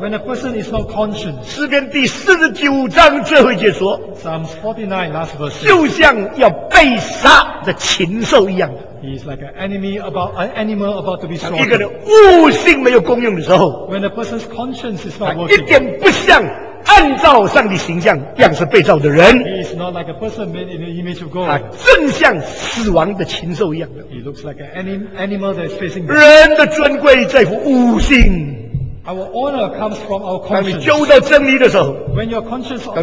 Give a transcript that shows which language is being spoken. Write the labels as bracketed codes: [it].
[en] when a person is not conscious, [zh] 诗篇第49章最后一节说, [en] Psalms 49 last verse, [zh] 就像要被杀的禽兽一样, [en] he is like an animal about to be slaughtered. [zh] 当一个人悟性没有功用的时候, [en] when a person's conscience is not working, [zh] 一点不像 按照上帝形象样式被造的人, [en] he is not like a person made in the image of God. [zh] 他正像死亡的禽兽一样, [en] he looks like an animal that is facing death. [zh] 人的尊贵在乎悟性, [en] our honor comes from our conscience. [zh] 当你揪到真理的时候, [en] when you are conscious of the truth,